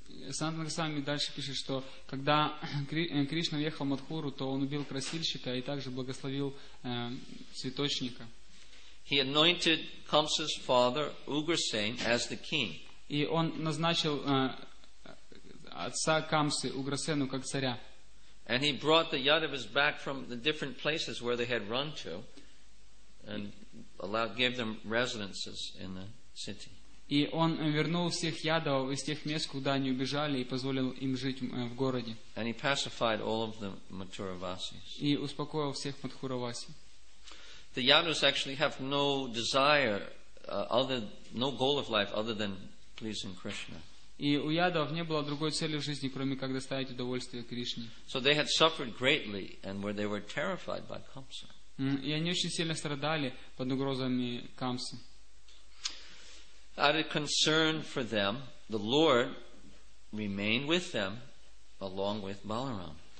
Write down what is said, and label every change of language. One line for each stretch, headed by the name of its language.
Russian: Санат Госвами дальше пишет, что когда Кришна въехал в Матхуру, то он убил красильщика и также благословил цветочника.
English: He anointed Kamsa's father, Ugrasen, as the king.
Russian: И он назначил отца Камсы, Уграсену, как царя.
English: And he brought the Yadavas back from the different places where they had run to and gave them residences in the city.
Russian: И он вернул всех ядов из тех мест, куда они убежали, и позволил им жить в городе.
English: And he pacified all of the Mathuravasis.
Russian: И успокоил всех Матхураваси.
English: The Yadavas actually have no desire, no goal of life other than pleasing Krishna.
Russian: И у ядов не было другой цели в жизни, кроме как доставить удовольствие Кришне.
English: So they had suffered greatly, and they were terrified by Kamsa.
Russian: И они очень сильно страдали под угрозами Камсы.
English: Out of concern for them, the Lord remained with them along with Balaram.